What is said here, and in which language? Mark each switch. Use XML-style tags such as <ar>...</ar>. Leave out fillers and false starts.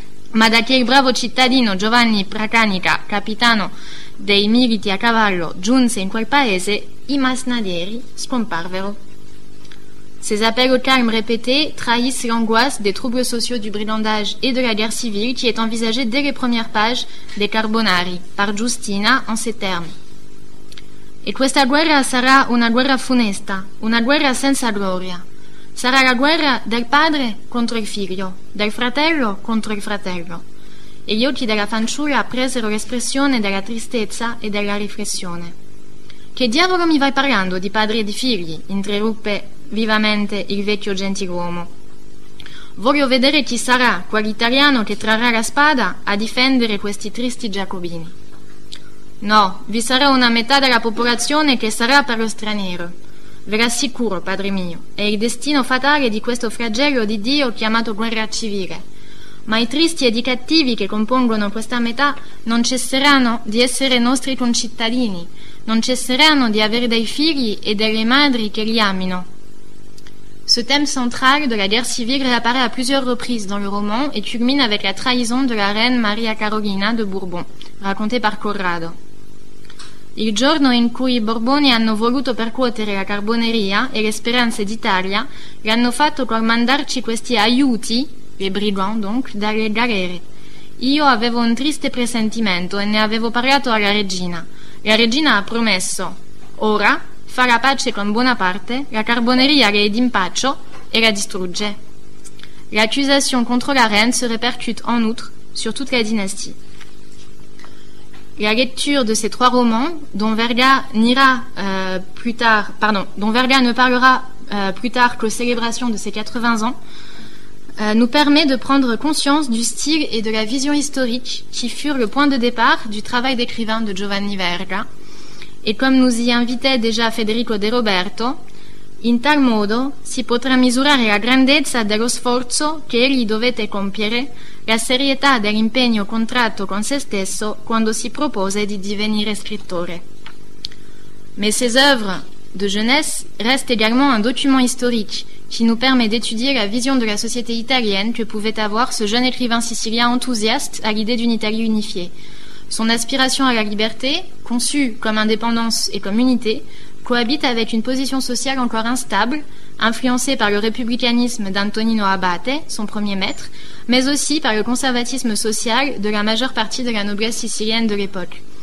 <it>Ma da che il bravo cittadino Giovanni Pracanica, capitano dei militi a cavallo, giunse in quel paese, i masnadieri scomparvero.</it> <fr>Ces appels au calme répétés trahissent l'angoisse des troubles sociaux du brigandage et de la guerre civile qui est envisagée dès les premières pages des Carbonari, par Giustina en ces termes.</fr> <it>E questa guerra sarà una guerra funesta, una guerra senza gloria. Sarà la guerra del padre contro il figlio, del fratello contro il fratello. E gli occhi della fanciulla presero l'espressione della tristezza e della riflessione. Che diavolo mi vai parlando di padri e di figli? Interruppe vivamente il vecchio gentiluomo. Voglio vedere chi sarà quell'italiano che trarrà la spada a difendere questi tristi giacobini. No, vi sarà una metà della popolazione che sarà per lo straniero. Ve l'assicuro, padre mio, è il destino fatale di questo flagello di Dio chiamato guerra civile. Ma i tristi e i cattivi che compongono questa metà non cesseranno di essere nostri concittadini, non cesseranno di avere dei figli e delle madri che li amino.</it> <fr>Ce thème central de la guerre civile réapparaît à plusieurs reprises dans le roman et culmine avec la trahison de la reine Maria Carolina de Bourbon, racontée par Corrado.</fr> <it>Il giorno in cui i Borboni hanno voluto percuotere la carboneria e le speranze d'Italia, l'hanno fatto col mandarci questi aiuti,</it> <fr>les brigands donc,</fr> <it>dalle galere. Io avevo un triste presentimento e ne avevo parlato alla regina. La regina ha promesso, ora, fa la pace con Bonaparte, la carboneria le aide in pace e la distrugge.</it> <fr>L'accusation contre la reine se répercute en outre sur toute la dynastie. La lecture de ces trois romans, dont Verga n'ira plus tard, pardon, dont Verga ne parlera plus tard qu'aux célébrations de ses 80 ans, nous permet de prendre conscience du style et de la vision historique qui furent le point de départ du travail d'écrivain de Giovanni Verga. Et comme nous y invitait déjà Federico De Roberto,</fr> <it>in tal modo si potrà misurare la grandezza dello sforzo che egli dovette compiere, la serietà dell'impegno contratto con se stesso quando si propose di divenire scrittore.</it> <fr>Mais ses œuvres de jeunesse restent également un document historique qui nous permet d'étudier la vision de la société italienne que pouvait avoir ce jeune écrivain sicilien enthousiaste à l'idée d'une Italie unifiée. Son aspiration à la liberté, conçue comme indépendance et comme unité, cohabite avec une position sociale encore instable, influencée par le républicanisme d'Antonino Abate, son premier maître, mais aussi par le conservatisme social de la majeure partie de la noblesse sicilienne de l'époque.</fr>